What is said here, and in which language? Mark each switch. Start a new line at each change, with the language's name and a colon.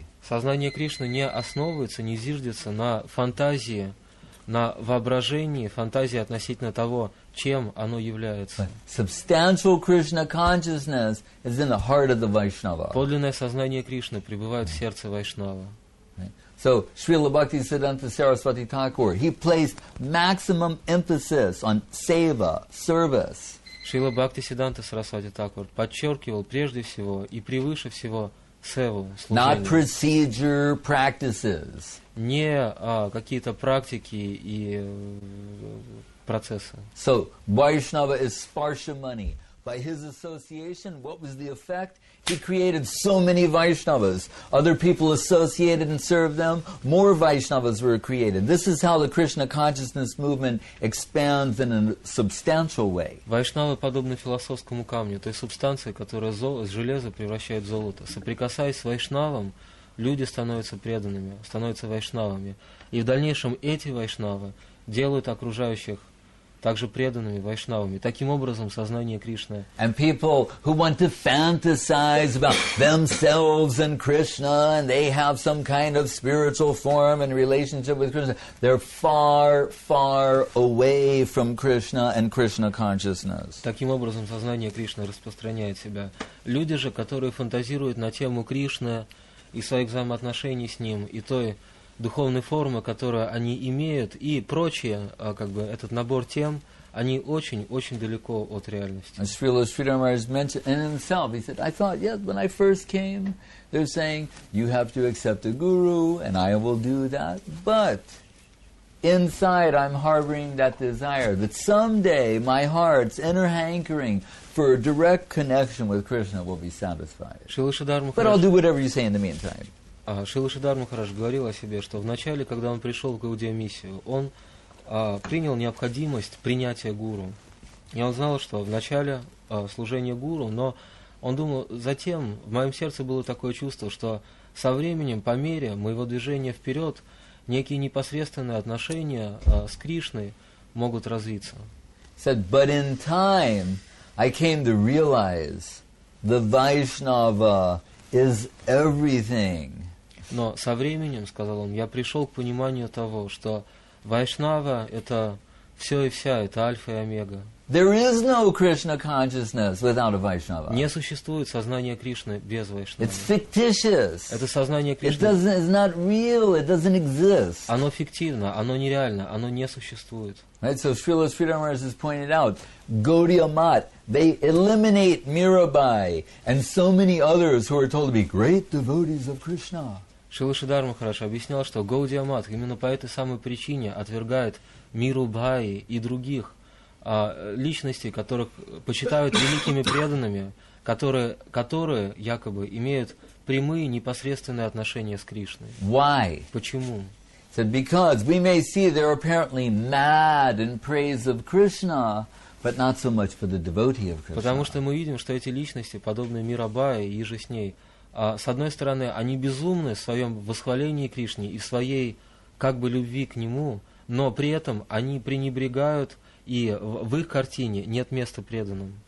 Russian: Сознание Кришны не основывается, не зиждется на фантазии, на воображении, фантазии относительно того, чем оно является.
English: Substantial Krishna consciousness is in the heart of the Vaishnava.
Russian: Подлинное сознание Кришны пребывает в сердце Вайшнава.
English: So Srila Bhakti Siddhanta Saraswati Thakur, he placed maximum emphasis on seva, service.
Russian: Srila Bhakti Siddhanta Saraswati Thakur подчеркивал прежде всего и превыше всего севу, служение.
English: Not procedure practices.
Russian: Не какие-то практики и процессы.
English: So Vaishnava is sparsha money. By his association, what was the effect? He created so many Vaishnavas. Other people associated and served them. More Vaishnavas were created. This is how the Krishna consciousness movement expands in a substantial way.
Russian: Вайшнавы подобны философскому камню, той субстанции, которая железо превращает в золото. Соприкасаясь с вайшнавом, люди становятся преданными, становятся вайшнавами. И в дальнейшем эти вайшнавы делают окружающих также преданными вайшнавами. Таким образом, сознание Кришны.
English: And people who want to fantasize about themselves and Krishna, and they have some kind of spiritual form and relationship with Krishna, they're far, far away from Krishna and Krishna consciousness.
Russian: Таким образом, сознание Кришны распространяет себя. Люди же, которые фантазируют на тему Кришны и своих взаимоотношений с Ним, и той духовные формы, которые они имеют, и прочие, как бы этот набор тем, они очень-очень далеко от реальности.
English: As Srila Sridharmaraj mentioned in himself, he said, I thought, yes, when I first came, they're saying, you have to accept a guru, and I will do that. But inside I'm harboring that desire that someday my heart's inner hankering for a direct connection with Krishna will be satisfied. Srila Sridharmaraj. But I'll do whatever you say in the meantime.
Russian: Шрила Шридхар Махарадж говорил о себе, что вначале, когда он пришел в Гаудия-миссию, он принял необходимость принятия гуру. И он знал, что вначале служение гуру, но он думал, затем в моем сердце было такое чувство, что со временем, по мере моего движения вперед, некие непосредственные отношения с Кришной могут развиться.
English: He said, but in time I came to realize the Vaishnava is everything.
Russian: Но со временем, сказал он, я пришел к пониманию того, что вайшнава – это все и вся, это альфа и омега.
English: There is no Krishna consciousness without a Vaishnava.
Russian: Не существует сознание Кришны без вайшнавы.
English: It's fictitious.
Russian: Это сознание Кришны.
English: It's not real. It doesn't exist.
Russian: Оно фиктивно, оно нереально, оно не существует.
English: Right, so Srila Sridharmaraj has pointed out, Gaudiya Math, they eliminate Mirabai and so many others who are told to be great devotees of Krishna.
Russian: Шрила Шридхар Махарадж объяснял, что Гаудия Мат именно по этой самой причине отвергает Мирубаи и других личностей, которых почитают великими преданными, которые якобы имеют прямые непосредственные отношения с Кришной.
English: Why?
Russian: Почему?
English: So because we may see they're apparently mad in praise of Krishna, but not so much for the devotee of Krishna.
Russian: Потому что мы видим, что эти личности, подобные Мирабаи и же с ней, с одной стороны, они безумны в своем восхвалении Кришне и в своей как бы любви к Нему, но при этом они пренебрегают, и в их картине нет места преданным.